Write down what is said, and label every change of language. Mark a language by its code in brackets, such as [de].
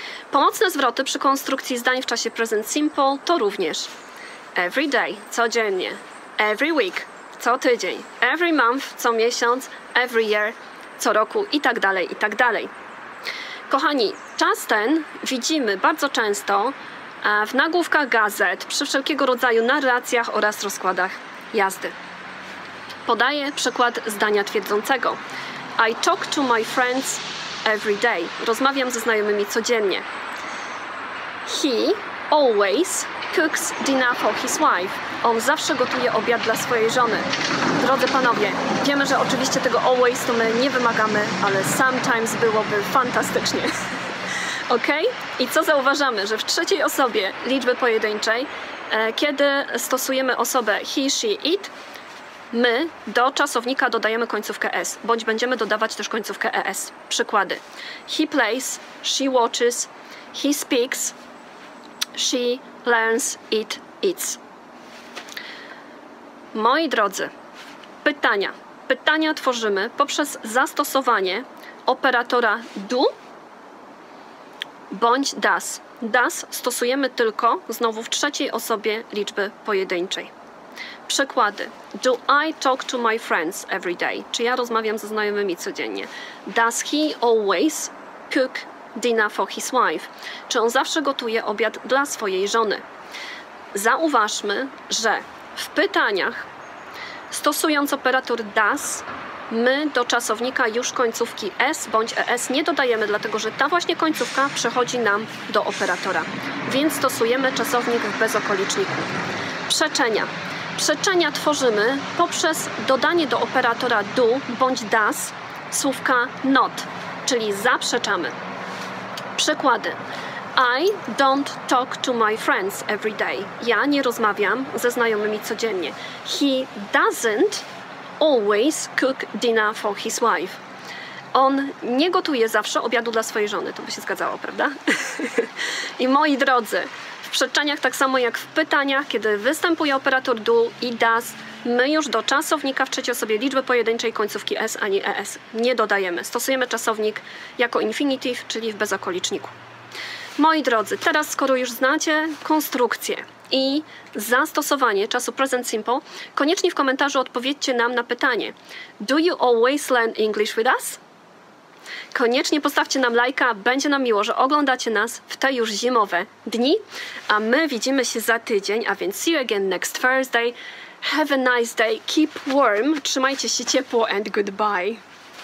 [pl] Pomocne zwroty przy konstrukcji zdań w czasie present simple to również [en] every day, [pl] codziennie, [en] every week, [pl] co tydzień, [en] every month, [pl] co miesiąc, [en] every year, [pl] co roku i tak dalej, i tak dalej. Kochani, czas ten widzimy bardzo często w nagłówkach gazet, przy wszelkiego rodzaju narracjach oraz rozkładach jazdy. Podaję przykład zdania twierdzącego. [en] I talk to my friends every day. [pl] Rozmawiam ze znajomymi codziennie. [en] He always cooks dinner for his wife. [pl] On zawsze gotuje obiad dla swojej żony. Drodzy panowie, wiemy, że oczywiście tego always to my nie wymagamy, ale sometimes byłoby fantastycznie. Ok? I co zauważamy? Że w trzeciej osobie liczby pojedynczej, kiedy stosujemy osobę he, she, it, my do czasownika dodajemy końcówkę s, bądź będziemy dodawać też końcówkę es. Przykłady. [en] He plays, she watches, he speaks, she learns, it, eats. [pl] Moi drodzy, pytania. Pytania tworzymy poprzez zastosowanie operatora do bądź does. Does stosujemy tylko znowu w trzeciej osobie liczby pojedynczej. Przykłady. [en] Do I talk to my friends every day? [pl] Czy ja rozmawiam ze znajomymi codziennie? [en] Does he always cook dinner for his wife? [pl] Czy on zawsze gotuje obiad dla swojej żony? Zauważmy, że w pytaniach stosując operator does, my do czasownika już końcówki s bądź es nie dodajemy, dlatego że ta właśnie końcówka przechodzi nam do operatora. Więc stosujemy czasownik w bezokoliczniku. Przeczenia. Przeczenia tworzymy poprzez dodanie do operatora do bądź does słówka not, czyli zaprzeczamy. Przykłady. [en] I don't talk to my friends every day. [pl] Ja nie rozmawiam ze znajomymi codziennie. [en] He doesn't always cook dinner for his wife. [pl] On nie gotuje zawsze obiadu dla swojej żony. To by się zgadzało, prawda? I moi drodzy, w przeczeniach, tak samo jak w pytaniach, kiedy występuje operator do i does, my już do czasownika w trzeciej osobie liczby pojedynczej końcówki s ani es nie dodajemy. Stosujemy czasownik jako infinitive, czyli w bezokoliczniku. Moi drodzy, teraz skoro już znacie konstrukcję i zastosowanie czasu present simple, koniecznie w komentarzu odpowiedzcie nam na pytanie. [en] Do you always learn English with us? [pl] Koniecznie postawcie nam lajka, będzie nam miło, że oglądacie nas w te już zimowe dni, a my widzimy się za tydzień, a więc [en] see you again next Thursday. Have a nice day, keep warm, [pl] trzymajcie się ciepło [en] and goodbye.